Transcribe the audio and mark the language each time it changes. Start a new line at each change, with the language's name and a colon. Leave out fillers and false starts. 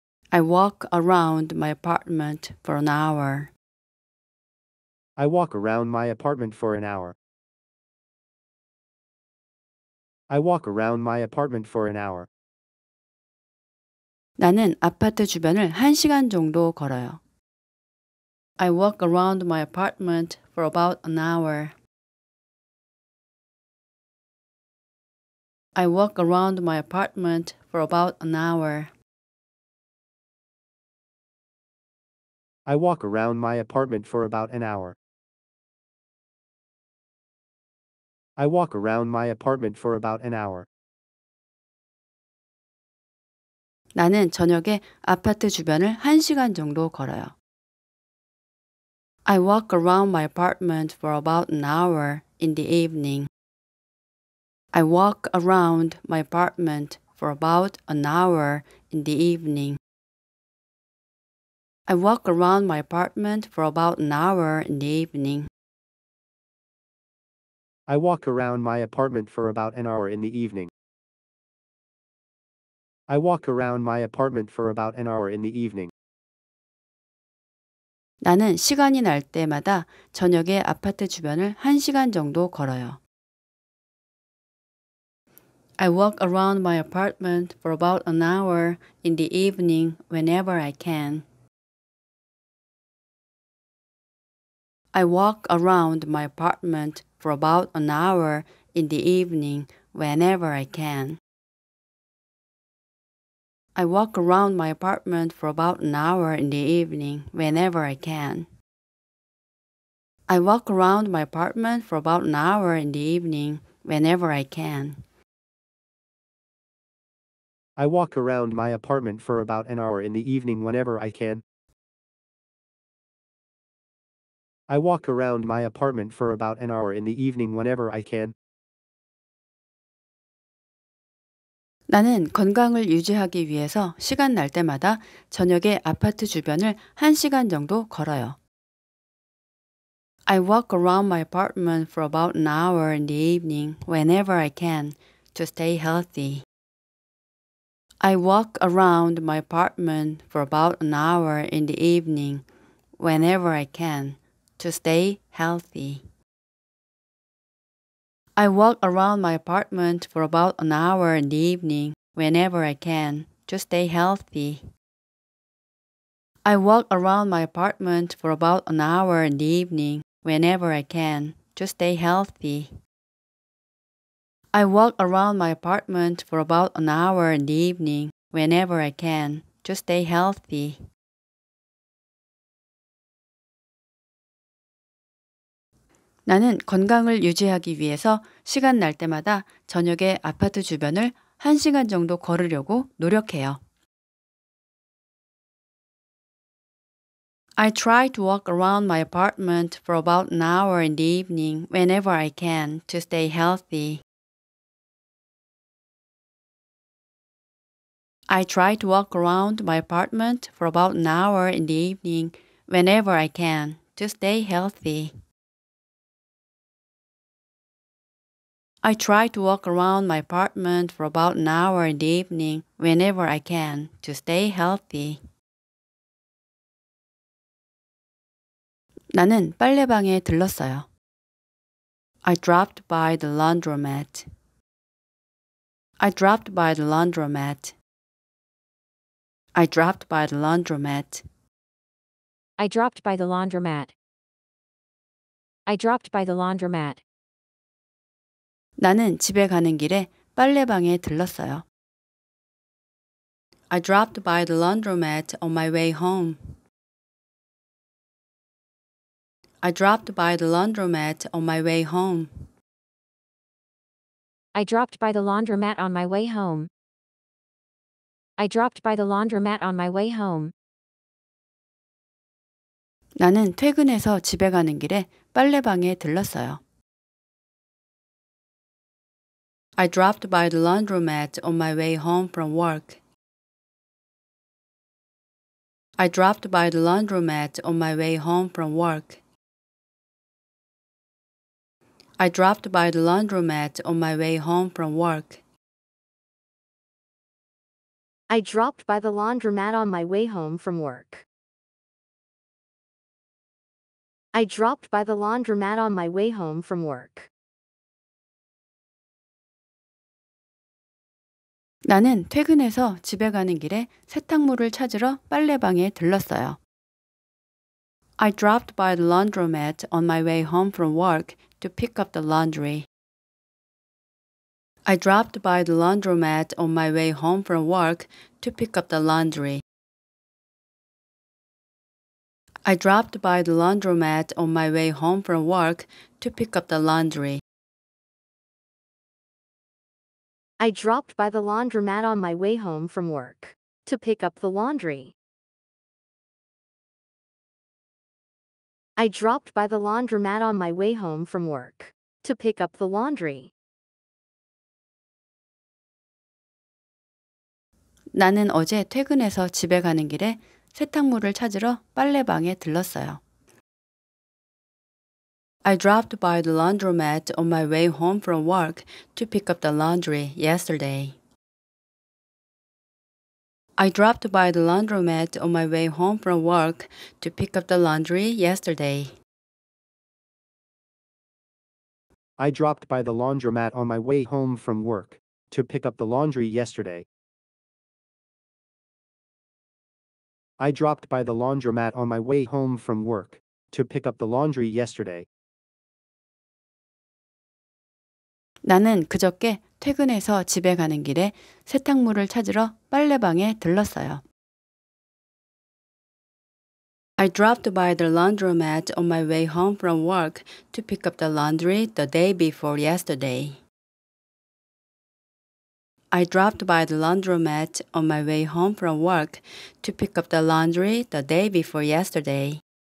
English: I walk around my apartment for an hour. I walk around my apartment for an hour. I walk around my apartment for an hour.
Korean: 나는 아파트 주변을 한 시간 정도 걸어요.
English: I walk around my apartment for about an hour. I walk around my apartment for about an hour. I walk around my apartment for about an hour. I walk around my apartment for about an hour.
Korean: 나는 저녁에 아파트 주변을 1시간 정도 걸어요.
English: I walk around my apartment for about an hour in the evening. I walk around my apartment for about an hour in the evening. I walk around my apartment for about an hour in the evening. I walk around my apartment for about an hour in the evening. I walk around my apartment for about an hour in the evening.
Korean: 나는 시간이 날 때마다 저녁에 아파트 주변을 1시간 정도 걸어요.
English: I walk around my apartment for about an hour in the evening whenever I can. I walk around my apartment for about an hour in the evening whenever I can. I walk around my apartment for about an hour in the evening whenever I can. I walk around my apartment for about an hour in the evening whenever I can. I walk around my apartment for about an hour in the evening whenever I can. I walk around my apartment for about an hour in the evening whenever I can.
Korean: 나는 건강을 유지하기 위해서 시간 날 때마다 저녁에 아파트 주변을 1시간 정도 걸어요.
English: I walk around my apartment for about an hour in the evening whenever I can to stay healthy. I walk around my apartment for about an hour in the evening whenever I can to stay healthy. I walk around my apartment for about an hour in the evening whenever I can to stay healthy. I walk around my apartment for about an hour in the evening whenever I can to stay healthy. I walk around my apartment for about an hour in the evening whenever I can to stay healthy.
Korean: 나는 건강을 유지하기 위해서 시간 날 때마다 저녁에 아파트 주변을 1시간 정도 걸으려고 노력해요.
English: I try to walk around my apartment for about an hour in the evening whenever I can to stay healthy. I try to walk around my apartment for about an hour in the evening whenever I can to stay healthy. I try to walk around my apartment for about an hour in the evening whenever I can to stay healthy.
Korean: 나는 빨래방에 들렀어요.
English: I dropped by the laundromat. I dropped by the laundromat. I dropped by the laundromat. I dropped by the laundromat. I dropped by the laundromat.
Korean: 나는 집에 가는 길에 빨래방에 들렀어요.
English: I dropped by the laundromat on my way home. I dropped by the laundromat on my way home. I dropped by the laundromat on my way home. I dropped by the laundromat on my way home.
Korean: 나는 퇴근해서 집에 가는 길에 빨래방에 들렀어요.
English: I dropped by the laundromat on my way home from work. I dropped by the laundromat on my way home from work. I dropped by the laundromat on my way home from work. I dropped by the laundromat on my way home from work. I dropped by the laundromat on my way home from work.
Korean: 나는 퇴근해서 집에 가는 길에 세탁물을 찾으러 빨래방에 들렀어요.
English: I dropped by the laundromat on my way home from work to pick up the laundry. I dropped by the laundromat on my way home from work to pick up the laundry. I dropped by the laundromat on my way home from work to pick up the laundry. I dropped by the laundromat on my way home from work to pick up the laundry. I dropped by the laundromat on my way home from work to pick up the laundry.
Korean: 나는 어제 퇴근해서 집에 가는 길에 세탁물을 찾으러 빨래방에 들렀어요.
English: I dropped by the laundromat on my way home from work to pick up the laundry yesterday. I dropped by the laundromat on my way home from work to pick up the laundry yesterday. I dropped by the laundromat on my way home from work to pick up the laundry yesterday. I dropped by the laundromat on my way home from work to pick up the laundry yesterday.
Korean: 나는 그저께 퇴근해서 집에 가는 길에 세탁물을 찾으러 빨래방에 들렀어요.
English: I dropped by the laundromat on my way home from work to pick up the laundry the day before yesterday. I dropped by the laundromat on my way home from work to pick up the laundry the day before yesterday.